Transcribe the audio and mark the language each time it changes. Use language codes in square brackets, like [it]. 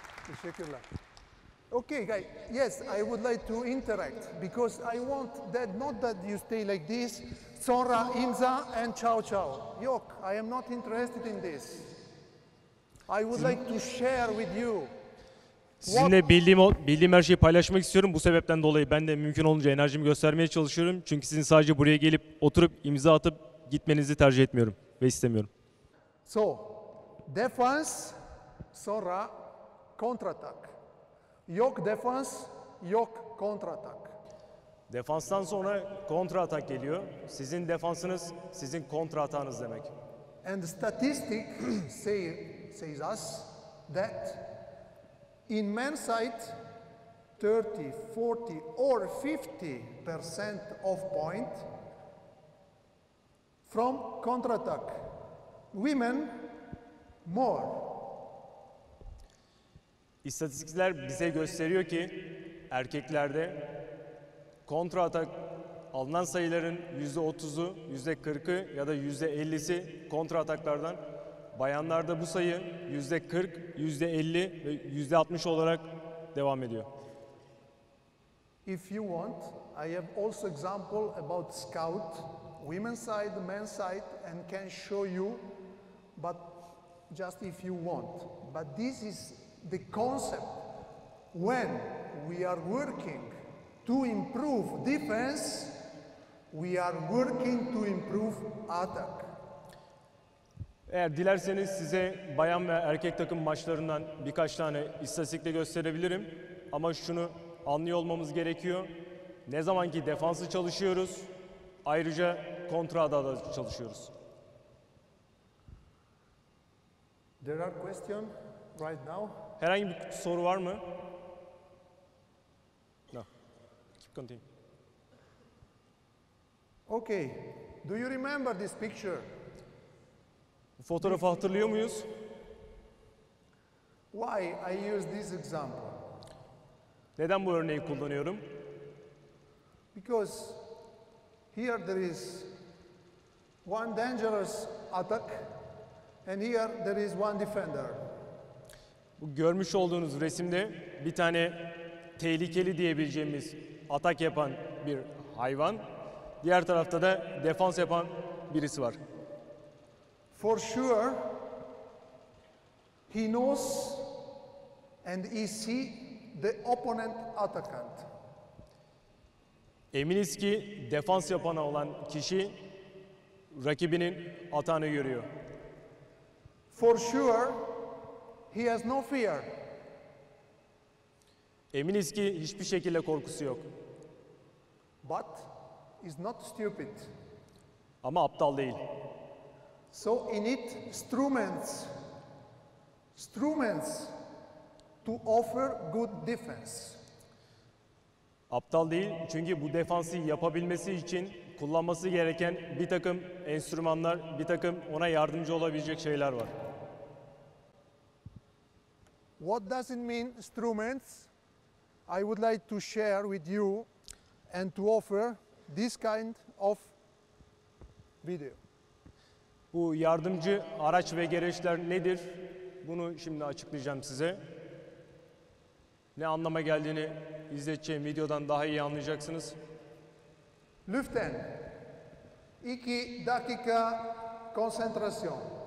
[tr] Teşekkürler. [en] Okay, guys. Yes, I would like to interact because I want that not that you stay like this. [tr] Sonra imza [en] and [it] ciao ciao. [tr] Yok, [en] I am not interested in this. I would like to share with you. [tr] Sizinle bildiğim her şeyi paylaşmak istiyorum. Bu sebepten dolayı ben de mümkün olunca enerjimi göstermeye çalışıyorum. Çünkü sizin sadece buraya gelip oturup imza atıp gitmenizi tercih etmiyorum ve istemiyorum. [en] So, defense, [tr] sonra kontratak. Yok defans, yok kontratak. Defanstan sonra kontratak geliyor. Sizin defansınız, sizin kontratağınız demek. [en] And the statistic says us that in men's sight 30, 40 or 50% of point from kontratak. Women more. [tr] İstatistikler bize gösteriyor ki erkeklerde kontra atak alınan sayıların %30'u, %40'ı ya da %50'si kontra ataklardan, bayanlarda bu sayı %40, %50 ve %60 olarak devam ediyor. [en] If you want, I have also example about scout, women's side, men's side and can show you, but just if you want. But this is the concept when we are working to improve defense, we are working to improve attack. [tr] Eğer dilerseniz size bayan ve erkek takım maçlarından birkaç tane istatistikle gösterebilirim. Ama şunu anlıyor olmamız gerekiyor. Ne zaman ki defansı çalışıyoruz, ayrıca kontrada da çalışıyoruz. [en] There are question right now. [tr] Herhangi bir soru var mı? [en] No. Keep continuing. Okay. Do you remember this picture? [tr] Bu fotoğrafı hatırlıyor muyuz? [en] Why I use this example? [tr] Neden bu örneği kullanıyorum? [en] Because here there is one dangerous attack and here there is one defender. [tr] Bu görmüş olduğunuz resimde bir tane tehlikeli diyebileceğimiz atak yapan bir hayvan, diğer tarafta da defans yapan birisi var. [en] For sure he knows and he see the opponent attackant. [tr] Eminiz ki defans yapana olan kişi rakibinin atağını görüyor. [en] For sure he has no fear. [tr] Eminiz ki hiçbir şekilde korkusu yok. [en] But is not stupid. [tr] Ama aptal değil. [en] So he need instruments. Instruments to offer good defense. [tr] Aptal değil çünkü bu defansı yapabilmesi için kullanması gereken bir takım enstrümanlar, bir takım ona yardımcı olabilecek şeyler var. [en] What does it mean instruments? I would like to share with you and to offer this kind of video. [tr] Bu yardımcı araç ve gereçler nedir? Bunu şimdi açıklayacağım size. Ne anlama geldiğini izleteceğim videodan daha iyi anlayacaksınız. Lüften. 2 dakika konsantrasyon.